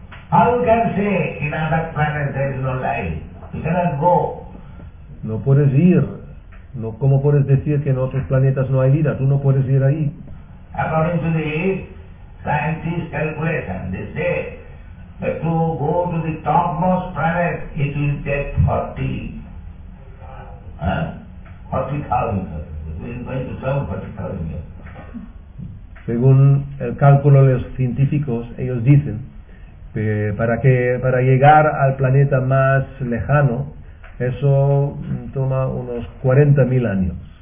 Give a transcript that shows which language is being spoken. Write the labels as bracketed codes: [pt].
[en] How you can say in other planet there is no life? You cannot go. [es] No puedes ir. No, ¿cómo puedes decir que en otros planetas no hay vida? Tú no puedes ir ahí. According to the scientist calculation, they say that to go to the topmost planet, it will take 40,000 years. Según el cálculo de los científicos, ellos dicen que para llegar al planeta más lejano, eso toma unos 40.000 años.